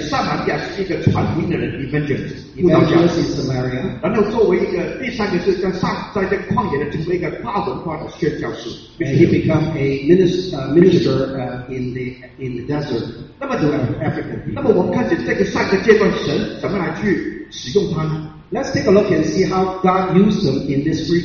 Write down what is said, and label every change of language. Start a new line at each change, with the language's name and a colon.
Chinese: 撒玛利亚是一个传福音的人
English: evangelist in Samaria.
Chinese: 然后作为一个第三个是在这旷野的成为一个跨文化的宣教士
English: And he became a minister in the desert.
Chinese: 那么怎么 African? 那么我们看见这个三个阶段神怎么来去使用他呢？
English: Let's take a look and see how God used them in this three